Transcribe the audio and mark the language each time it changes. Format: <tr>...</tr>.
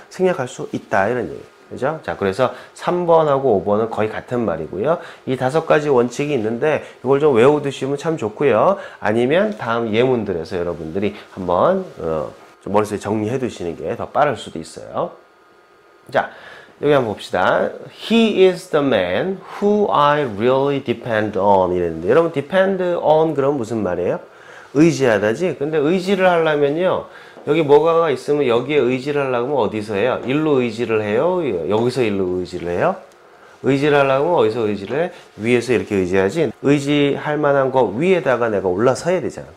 <ko>생략할 수 있다. 이런 얘기. 그죠? 자, 그래서 3번하고 5번은 거의 같은 말이고요. 이 다섯 가지 원칙이 있는데 이걸 좀 외워두시면 참 좋고요. 아니면 다음 예문들에서 여러분들이 한번 좀 머릿속에 정리해 두시는 게 더 빠를 수도 있어요. 자, 여기 한번 봅시다.</ko> <en>He is the man who I really depend on.</en> <ko>이랬는데, 여러분, depend on 그럼 무슨 말이에요? 의지하다지? 근데 의지를 하려면요, 여기 뭐가 있으면 여기에 의지를 하려면 어디서 해요? 일로 의지를 해요? 여기서 일로 의지를 해요? 의지를 하려면 어디서 의지를 해? 위에서 이렇게 의지하지? 의지할 만한 거 위에다가 내가 올라서야 되잖아.</ko>